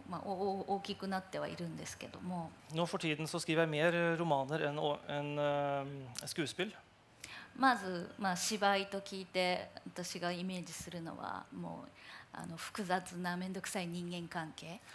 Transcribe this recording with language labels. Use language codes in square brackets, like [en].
[ja] 小説、そうですね。今ちょっと小説を書く比率の方が大きくなってはいるんですけども。 [no] Nå for tiden så skriver jeg mer romaner enn skuespill. [ja] まず、芝居と聞いて私がイメージするのはもう複雑な面倒くさい人間関係。